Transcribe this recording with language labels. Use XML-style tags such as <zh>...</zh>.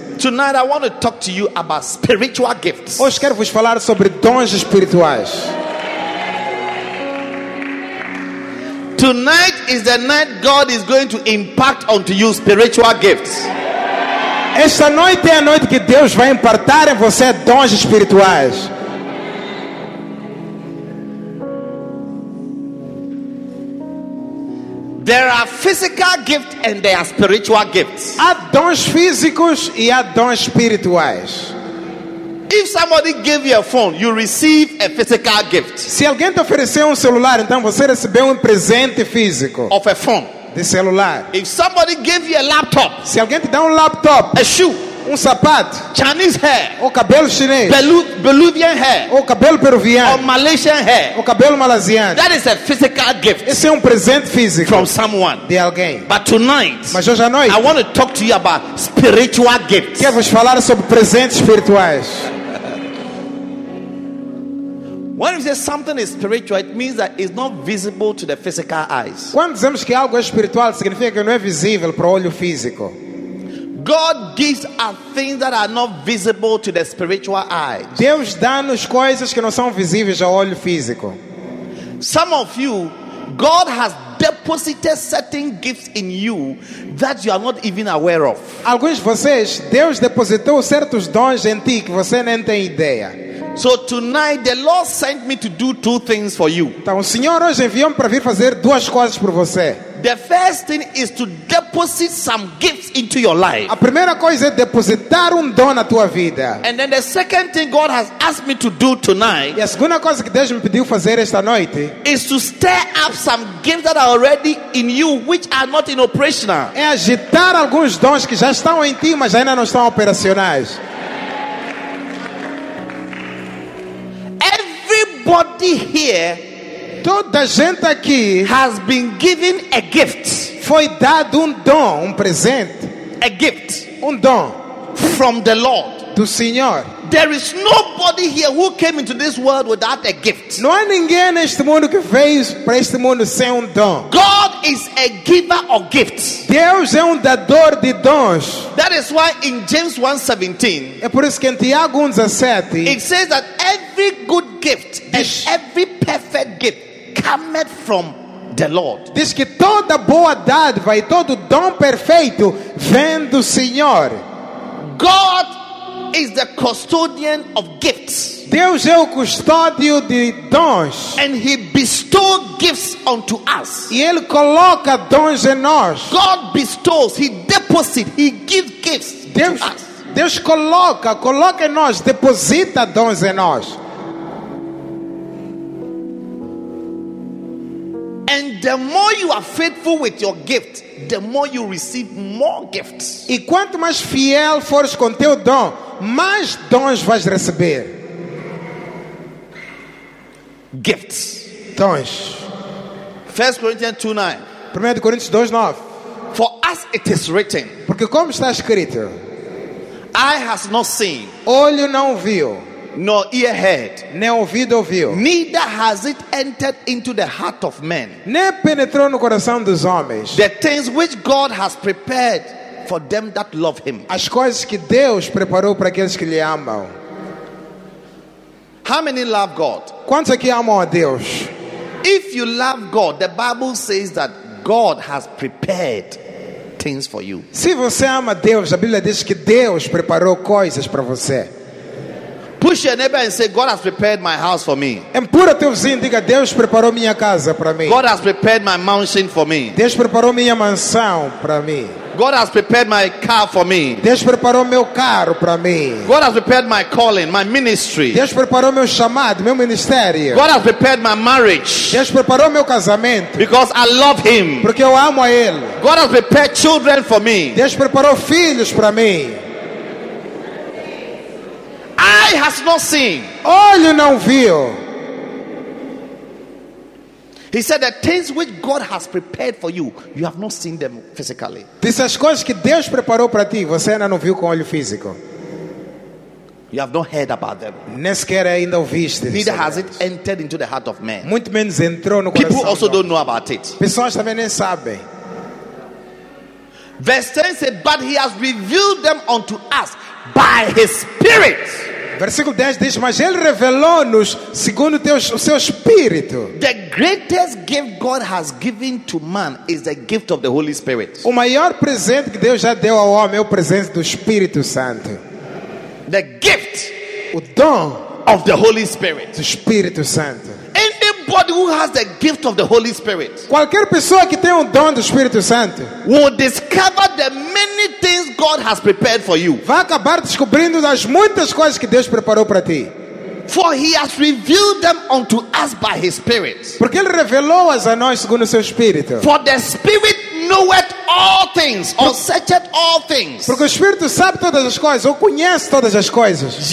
<en>Tonight I want to talk to you about spiritual gifts.</en> <pt>Hoje quero vos falar sobre dons espirituais.</pt> <en>Tonight is the night God is going to impart onto you spiritual gifts.</en> <pt>Esta noite é a noite que Deus vai impartar em você dons espirituais.</pt> <en>There are physical gifts and there are spiritual gifts.</en> <pt>Há dons físicos e há dons espirituais.</pt> <en>If somebody gave you a phone, you receive a physical gift.</en> <pt>Se alguém te oferecer celular, então você recebeu presente físico.</pt> <en>Of a phone.</en> <pt>De celular.</pt> <en>If somebody gave you a laptop.</en> <pt>Se alguém te dá laptop.</pt> <en>A shoe.</en> <pt>Sapato.</pt> <en>Chinese hair.</en> <pt>O cabelo chinês.</pt> <en>Peruvian hair.</en> <pt>O cabelo peruviano.</pt> <en>Or Malaysian hair.</en> <pt>O cabelo malaziano.</pt> <en>That is a physical gift.</en> <pt>Esse é presente físico.</pt> <en>From someone.</en> <pt>De alguém.</pt> <en>But tonight.</en> <pt>Mas hoje à noite.</pt> <en>I want to talk to you about spiritual gifts.</en> <pt>Quero vos falar sobre presentes espirituais.</pt> <en>When we say something is spiritual, it means that it's not visible to the physical eyes.</en> <pt>Quando dizemos que algo é espiritual, significa que não é visível para o olho físico.</pt> <en>God gives us things that are not visible to the spiritual eyes.</en> <pt>Deus dá-nos coisas que não são visíveis ao olho físico.</pt> <en>Some of you, God has deposited certain gifts in you that you are not even aware of.</en> <pt>Alguns de vocês, Deus depositou certos dons em ti que você nem tem ideia.</pt> <en>So tonight the Lord sent me to do two things for you.</en> <pt>Então o Senhor hoje enviou-me para vir fazer duas coisas por você.</pt> <en>The first thing is to deposit some gifts into your life.</en> <pt>A primeira coisa é depositar dom na tua vida.</pt> <en>And then the second thing God has asked me to do tonight.</en> <pt>E a segunda coisa que Deus me pediu fazer esta noite.</pt> <en>Is to stir up some gifts that are already in you, which are not in operation.</en> <pt>É agitar alguns dons que já estão em ti, mas ainda não estão operacionais.</pt> <en>Everybody here.</en> <pt>Toda gente aqui</pt> <en>has been given a gift.</en> <pt>Foi dado dom, presente.</pt> <en>A gift.</en> <pt>Dom.</pt> <en>From the Lord.</en> <pt>Do Senhor.</pt> <en>There is no nobody here who came into this world without a gift.</en> <pt>Não há ninguém neste mundo que veio para este mundo sem dom.</pt> <en>God is a giver of gifts.</en> <pt>Deus é dador de dons.</pt> <en>That is why in James 1:17,</en> <pt>é por isso que em Tiago 1:17,</pt> <en>it says that every good gift and every perfect gift cometh from the Lord.</en> <pt>Diz que toda boa dádiva e todo dom perfeito vem do Senhor.</pt> <en>God is the custodian of gifts.</en> <pt>Deus é o custódio de dons.</pt> <en>And he bestows gifts unto us.</en> <pt>E ele coloca dons em nós.</pt> <en>God bestows, he deposits, he gives gifts</en> <pt>Deus,</pt> <en>to us.</en> <pt>Deus coloca em nós, deposita dons em nós.</pt> <en>And the more you are faithful with your gift, the more you receive more gifts.</en> <pt>E quanto mais fiel fores com teu dom, mais dons vais receber.</pt> <en>Gifts.</en> <pt>Dons.</pt> <en>1 Corinthians 2:9.</en> <pt>1 Coríntios 2:9.</pt> <en>For us it is written.</en> <pt>Porque como está escrito.</pt> <en>Eye has not seen.</en> <pt>Olho não viu.</pt> <en>Nor ear heard.</en> <pt>Nem ouvido ouviu.</pt> <en>Neither has it entered into the heart of man.</en> <pt>Nem penetrou no coração dos homens.</pt> <en>The things which God has prepared for them that love him.</en> <pt>As coisas que Deus preparou para aqueles que lhe amam.</pt> <en>How many love God?</en> <pt>Quantos aqui amam a Deus?</pt> <en>If you love God, the Bible says that God has prepared things for you.</en> <pt>Se você ama Deus, a Bíblia diz que Deus preparou coisas para você.</pt> <en>Push your neighbor and say, God has prepared my house for me.</en> <pt>Empurra teu vizinho e diga, Deus preparou minha casa para mim.</pt> <en>God has prepared my mansion for me.</en> <pt>Deus preparou minha mansão para mim.</pt> <en>God has prepared my car for me.</en> <pt>Deus preparou meu carro para mim.</pt> <en>God has prepared my calling, my ministry.</en> <pt>Deus preparou meu chamado, meu ministério.</pt> <en>God has prepared my marriage.</en> <pt>Deus preparou meu casamento.</pt> <en>Because I love him.</en> <pt>Porque eu amo a ele.</pt> <en>God has prepared children for me.</en> <pt>Deus preparou filhos para mim.</pt> <en>Eye has not seen.</en> <pt>Olho não viu.</pt> <en>He said the things which God has prepared for you, you have not seen them physically.</en> <pt>Diz as coisas que Deus preparou para ti, você ainda não viu com olho físico.</pt> <en>You have not heard about them.</en> <pt>Nem sequer ainda ouviste.</pt> <en>Neither has it entered into the heart of man.</en> <pt>Muito menos entrou no coração.</pt> <en>People also don't know about it.</en> <pt>Pessoas também nem sabem.</pt> <en>Verse 10 said, but he has revealed them unto us by his spirit.</en> <pt>Versículo 10 diz, mas ele revelou-nos segundo o seu espírito.</pt> <en>The greatest gift God has given to man is the gift of the Holy Spirit.</en> <pt>O maior presente que Deus já deu ao homem é o presente do Espírito Santo.</pt> <en>The gift,</en> <pt>o dom</pt> <en>of the Holy Spirit.</en> <pt>Do Espírito Santo.</pt> <en>Anybody who has the gift of the Holy Spirit,</en> <pt>qualquer pessoa que tem o dom do Espírito Santo,</pt> <en>will discover the many things God has prepared for you.</en> <pt>Vai acabar descobrindo as muitas coisas que Deus preparou para ti.</pt> <en>For he has revealed them unto us by his Spirit.</en> <pt>Porque ele revelou-as a nós segundo o seu Espírito.</pt> <en>For the Spirit knoweth all things, or searcheth all things.</en> <pt>Porque o Espírito sabe todas as coisas, ou conhece todas as coisas.</pt>